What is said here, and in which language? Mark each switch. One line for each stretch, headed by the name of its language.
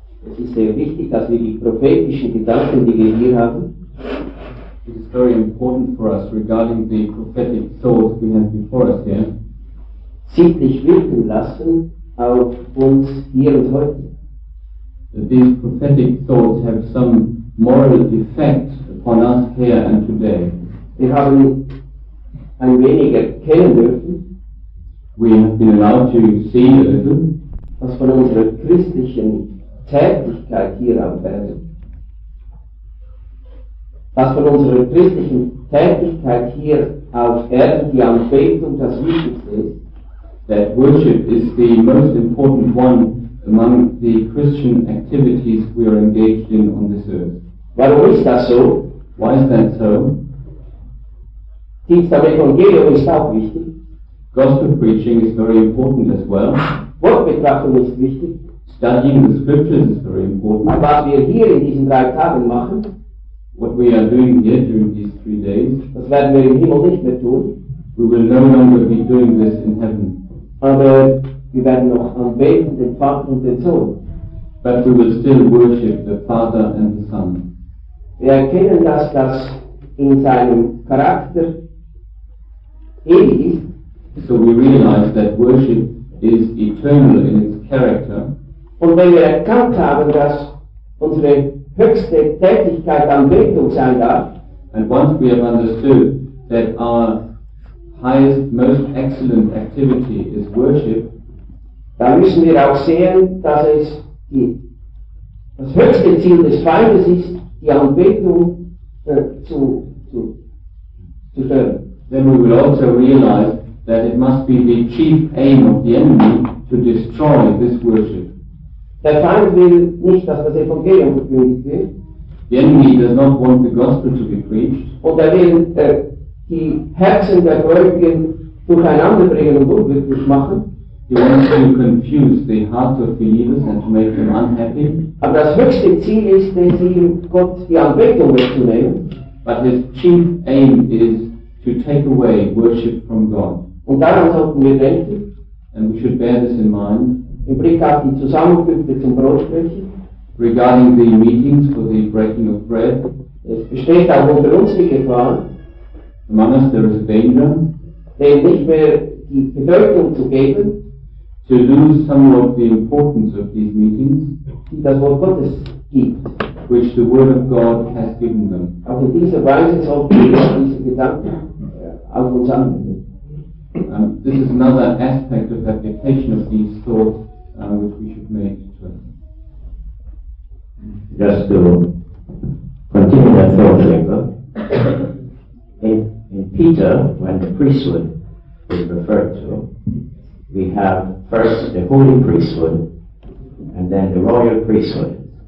German: Es ist sehr wichtig, dass wir die prophetischen Gedanken, die wir hier haben.
English: It is very important for us regarding the prophetic thoughts we have before us here.
German: Sittlich wirken lassen auf uns hier und heute.
English: That these prophetic thoughts have some moral effect upon us here and today.
German: Wir haben ein wenig erkennen dürfen,
English: we have been allowed to see a little,
German: was von unserer christlichen Tätigkeit hier am Berg, was von unserer christlichen Tätigkeit hier auf Erden, die Anbetung das Wichtigste ist.
English: That worship is the most important one among the Christian activities we are engaged in on this earth.
German: Warum ist das so?
English: Why is that so?
German: Dienst am Evangelium ist auch wichtig.
English: Gospel preaching is very important as well.
German: Wortbetrachtung ist wichtig.
English: Studying the scriptures is very important.
German: Aber was wir hier in diesen drei Tagen machen,
English: what we are doing here during these 3 days,
German: das werden wir im Himmel nicht mehr tun.
English: We will no longer be doing this in heaven.
German: Aber wir werden noch anbeten den Vater und den Sohn.
English: But we will still worship the Father and the Son.
German: Wir erkennen, dass das in seinem Charakter ewig ist.
English: So we realize that worship is eternal in its character.
German: Und wenn wir erkannt haben, dass unsere höchste Tätigkeit Anbetung sein darf,
English: and once we have understood that our highest, most excellent activity is worship,
German: dann müssen wir auch sehen, dass es das höchste Ziel des Feindes ist, die Anbetung zu stören.
English: Then we will also realize that it must be the chief aim of the enemy to destroy this worship.
German: Der Feind will nicht, dass das Evangelium verkündigt wird.
English: The enemy does not want the gospel to be preached.
German: Und er will die Herzen der Gläubigen durcheinander bringen und unglücklich machen.
English: He wants to confuse the hearts of believers and to make them unhappy.
German: Aber das höchste Ziel ist, den Sieg Gott die Anbetung wegzunehmen.
English: But his chief aim is to take away worship from God.
German: Und daran sollten wir denken.
English: And we should bear this in mind.
German: Im Blick auf die Zusammenkünfte zum Brotbrechen.
English: Regarding the meetings for the breaking of bread.
German: Es besteht auch unter uns die Gefahr.
English: Among us there is a danger.
German: Denn nicht mehr die Bedeutung zu geben.
English: To lose some of the importance of these meetings.
German: Die das Wort Gottes gibt.
English: Which the Word of God has given them.
German: Auch in dieser Weise sollten wir diese Gedanken auf uns anwenden.
English: This is another aspect of application of these thoughts which we should make to us. Just to continue that thought, Jacob. In Peter, when the priesthood is referred to, we have first the holy priesthood and then the royal priesthood.